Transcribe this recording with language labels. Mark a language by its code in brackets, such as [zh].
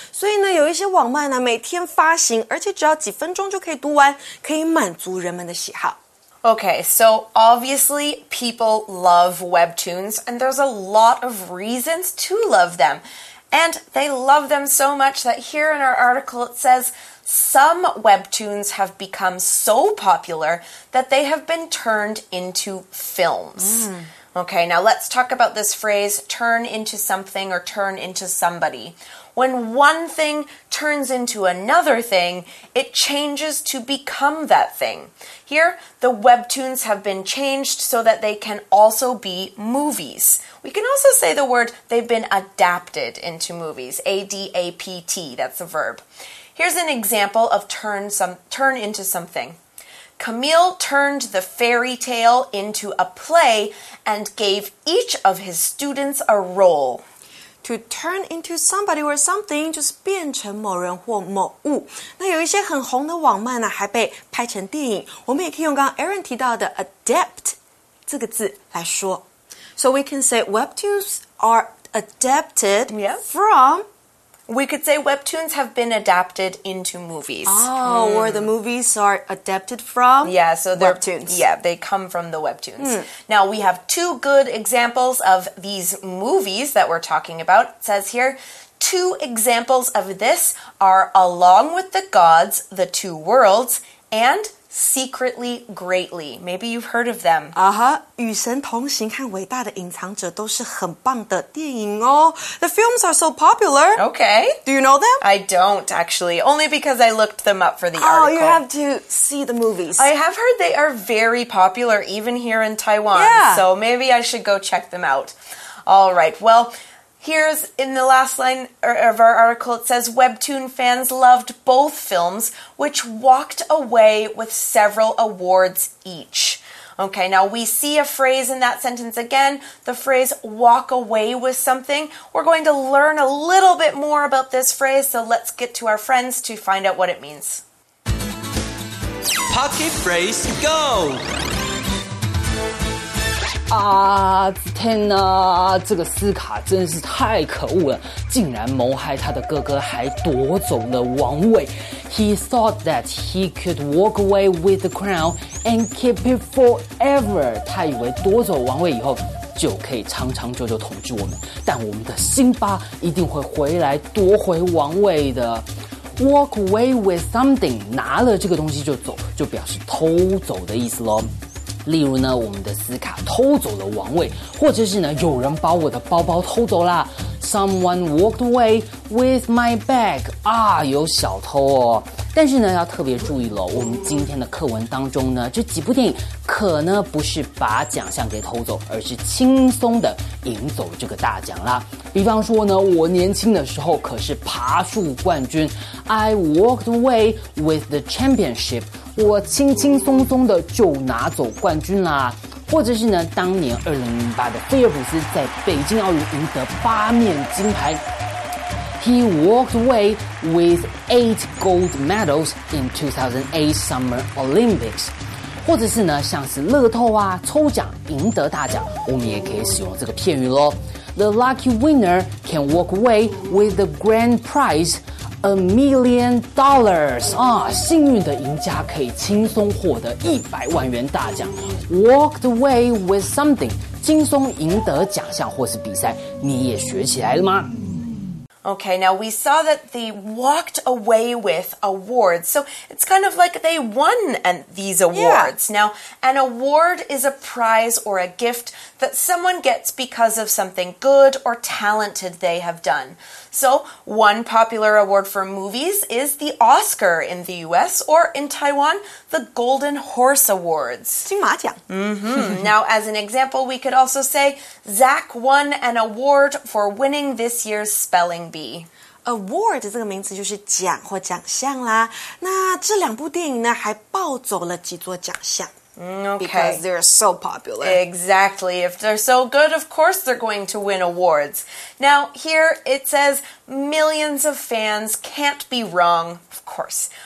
[zh] 所以呢，有一些网漫呢每天发行，而且只要几分钟就可以读完，可以满足人们的喜好。 [en] Okay, so obviously people love webtoons, and there's a lot of reasons to love them. And they love them so much that here in our article it says, some webtoons have become so popular that they have been turned into films. Mm. Okay, now let's talk about this phrase, turn into something or turn into somebody. When one thing turns into another thing, it changes to become that thing. Here, the webtoons have been changed so that they can also be movies. We can also say the word, they've been adapted into movies. A-D-A-P-T, that's a verb. Here's an example of turn into something. Camille turned the fairy tale into a play and gave each of his students a role. To turn into somebody or something [zh] 就是变成某人或某物。那有一些很红的网漫呢还被拍成电影。我们也可以用刚刚 Aaron 提到的 adapt 这个字来说。 [en] So we can say webtoons are adapted from... We could say webtoons have been adapted into movies. Oh, or the movies are adapted from webtoons. Yeah, they come from the webtoons. Mm. Now, we have two good examples of these movies that we're talking about. It says here, two examples of this are Along with the Gods, The Two Worlds, and Secretly Greatly. Maybe you've heard of them. Uh-huh. [zh] 与神同行和伟大的隐藏者都是很棒的电影哦。 [en] The films are so popular. Okay. Do you know them? I don't, actually. Only because I looked them up for the article. Oh, you have to see the movies. I have heard they are very popular, even here in Taiwan. Yeah. So maybe I should go check them out. All right. Well, here's in the last line of our article, it says, Webtoon fans loved both films, which walked away with several awards each. Okay, now we see a phrase in that sentence again, the phrase walk away with something. We're going to learn a little bit more about this phrase, so let's get to our friends to find out what it means. Pocket phrase go! [zh] 子天呢，这个斯卡真是太可恶了，竟然谋害他的哥哥还夺走了王位。 [en] He thought that he could walk away with the crown and keep it forever. [zh] 他以为夺走王位以后就可以长长久久统治我们，但我们的辛巴一定会回来夺回王位的。 [en] Walk away with something， [zh] 拿了这个东西就走，就表示偷走的意思咯。例如呢，我们的斯卡偷走了王位，或者是呢，有人把我的包包偷走啦。 [en] Someone walked away with my bag. [zh] 啊，有小偷哦。但是呢，要特别注意了，我们今天的课文当中呢，这几部电影可呢不是把奖项给偷走，而是轻松的赢走这个大奖啦。比方说呢，我年轻的时候可是爬树冠军 ， [en] I walked away with the championship. [zh] 我轻轻松松的就拿走冠军啦。或者是呢，当年2008的菲尔普斯在北京奥运赢得八面金牌。 [en] He walked away with 8 gold medals in 2008 Summer Olympics. [zh] 或者是呢，像是乐透啊，抽奖赢得大奖，我们也可以使用这个片语咯。 [en] The lucky winner can walk away with the grand prize, $1 million. [zh] 啊，幸运的赢家可以轻松获得100万元大奖。 [en] Walked away with something, [zh] 轻松赢得奖项或是比赛，你也学起来了吗？ [en] Okay, now we saw that they walked away with awards. So it's kind of like they won these awards. Yeah. Now, an award is a prize or a gift that someone gets because of something good or talented they have done. So one popular award for movies is the Oscar in the U.S. or in Taiwan, the Golden Horse Awards. [zh] 金马奖. [en] Mm-hmm. Now, as an example, we could also say Zach won an award for winning this year's spelling be. [zh] Award 这个名词就是奖或奖项啦。那这两部电影呢还抱走了几座奖项。 [en] Okay. Because they're so popular. Exactly. If they're so good, of course they're going to win awards. Now, here it says millions of fans can't be wrong. Of course.